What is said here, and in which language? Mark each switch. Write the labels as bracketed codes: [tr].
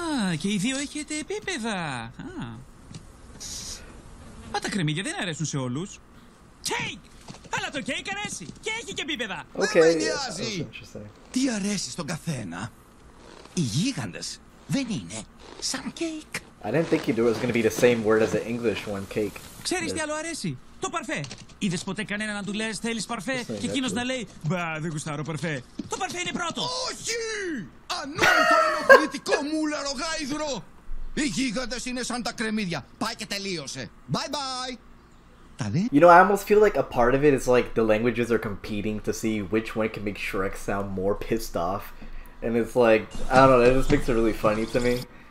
[el] Α, και οι δύο έχετε επίπεδα. Μα τα κρεμμύδια δεν αρέσουν σε όλους. Κέικ! Αλλά το κέικ αρέσει και έχει και επίπεδα. Okay, δεν με νοιάζει. Τι αρέσει στον καθένα. Οι γίγαντες δεν είναι σαν κέικ. [en] I didn't think it was going to be the same word as the English one, cake. [el] Ξέρεις τι άλλο αρέσει? Το παρφέ. Είδες ποτέ κανένα να του λες θέλεις παρφέ και εκείνος να λέει «Μπα, δεν γουστάρω παρφέ». Το παρφέ είναι πρώτο. Όχι! Ανόητο ενοχλητικό μούλαρο γάιδρο! Οι γίγαντες είναι σαν τα κρεμμύδια. Πάει και τελείωσε. [en] Bye bye! talent. You know, I almost feel like a part of it is like the languages are competing to see which one can make Shrek sound more pissed off. And it's like, I don't know, that just makes it really funny to me.